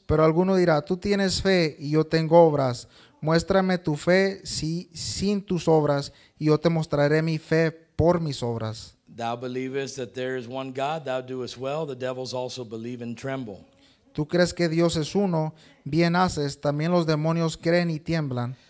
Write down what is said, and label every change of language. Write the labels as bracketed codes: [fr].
[es] Pero alguno dirá, tú tienes fe, y yo tengo obras. Muéstrame tu fe sin tus obras, y yo te mostraré mi fe por mis obras. [en] Thou believest that there is one God, thou doest well. The devils also believe and tremble. [es] Tú crees que Dios es uno, bien haces, también los demonios creen y tiemblan.